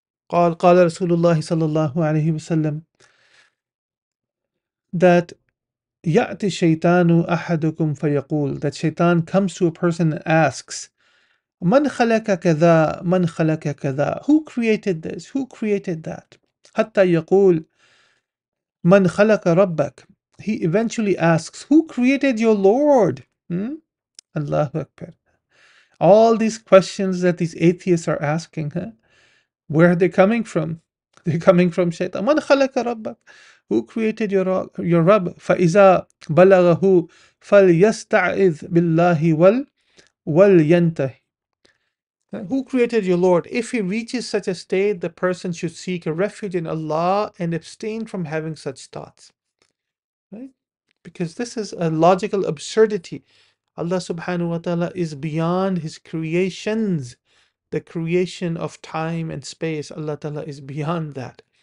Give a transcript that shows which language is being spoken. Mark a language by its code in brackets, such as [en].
[ar] قال رسول الله صلى الله عليه وسلم [en] that [ar] يأتي الشيطان أحدكم فيقول, [en] that shaitan comes to a person and asks, [ar] من خلق كذا من خلق كذا, [en] who created this, who created that, [ar] حتى يقول من خلق ربك, [en] he eventually asks, who created your Lord? [ar] Allahu Akbar. [en] All these questions that these atheists are asking, huh? Where are they coming from? They're coming from shaitan. [ar] من خلق ربك, [en] who created your Rabb? [ar] فَإِذَا بَلَغَهُ فَلْيَسْتَعِذْ بِاللَّهِ وَلْيَنْتَهِ, [en] who created your Lord? If he reaches such a state, the person should seek a refuge in Allah and abstain from having such thoughts. Right? Because this is a logical absurdity. Allah subhanahu wa ta'ala is beyond his creations. The creation of time and space, Allah ta'ala is beyond that.